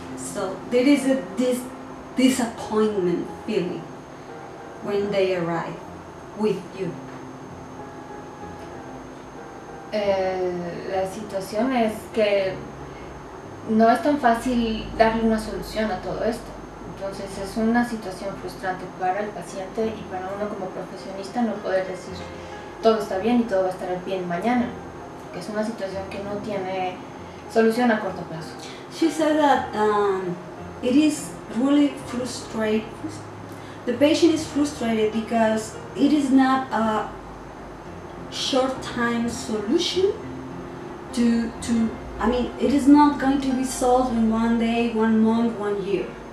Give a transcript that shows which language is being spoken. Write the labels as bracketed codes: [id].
[en] So there is a disappointment feeling when they arrive with you. [es] La situación es que no es tan fácil darle una solución a todo esto. Entonces es una situación frustrante para el paciente y para uno como profesionista no poder decir todo está bien y todo va a estar bien mañana. Que es una situación que no tiene solución a corto plazo. [en] She said that it is really frustrating. The patient is frustrated because it is not a short time solution to it is not going to be solved in one day, one month, one year.